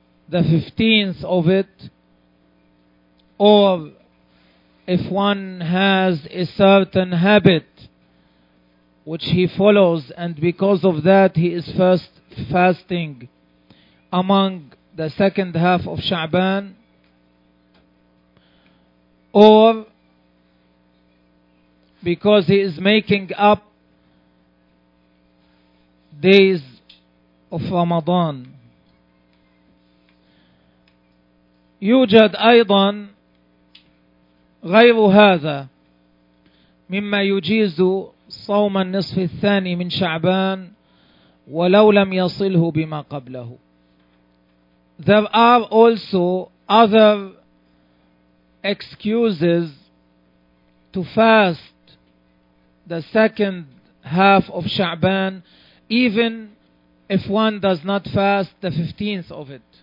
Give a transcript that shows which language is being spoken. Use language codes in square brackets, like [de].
[en] the 15th of it, or if one has a certain habit which he follows, and because of that he is first fasting among the second half of Sha'ban, or because he is making up days of Ramadan. [ar] يوجد أيضا غير هذا مما يجيز صوم النصف الثاني من شعبان ولو لم يصله بما قبله. [en] There are also other excuses to fast the second half of Sha'ban even if one does not fast the 15th of it.